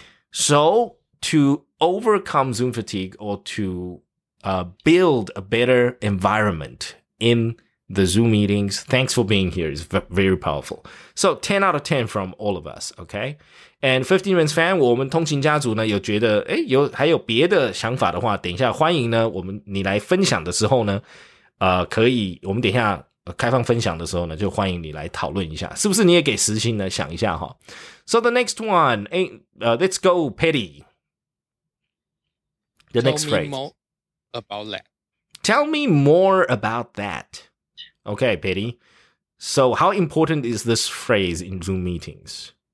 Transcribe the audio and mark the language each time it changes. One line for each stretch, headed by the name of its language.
English: So, to overcome Zoom fatigue or to build a better environment in the Zoom meetings, thanks for being here. It's very powerful. So, 10 out of 10 from all of us, okay?
Chinese: And 15 Minutes Fan, 我们通勤家族呢有觉得有还有别的想法的话，等一下欢迎呢我们你来分享的时候呢可以我们等一下开放分享的时候呢就欢迎你来讨论一下是不是你也给实心呢想一下齁。
English: So the next one, let's go petty. The next phrase. Tell me more about that. Tell me more about that. Okay, petty. So how important is this phrase in Zoom meetings?